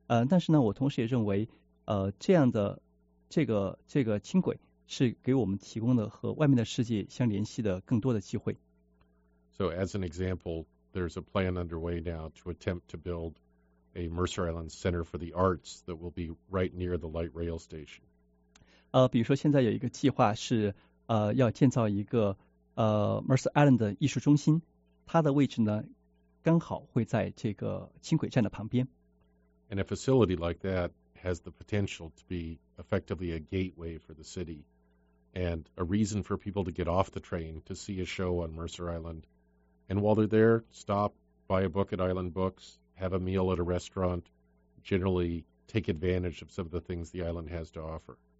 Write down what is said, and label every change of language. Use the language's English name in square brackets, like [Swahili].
[Chinese] 但是呢，我同时也认为这样的这个轻轨是给我们提供的和外面的世界相联系的更多的机会。 [English] So as an example, there's a plan underway now to attempt to build a Mercer Island Center for the Arts that will be right near the light rail station. [Chinese] 比如说现在有一个计划是要建造一个Mercer Island 的艺术中心。它的位置呢，刚好会在这个轻轨站的旁边。 [English] And a facility like that has the potential to be effectively a gateway for the city, and a reason for people to get off the train to see a show on Mercer Island, and while they're there, stop, buy a book at Island Books, have a meal at a restaurant, generally take advantage of some of the things the island has to offer.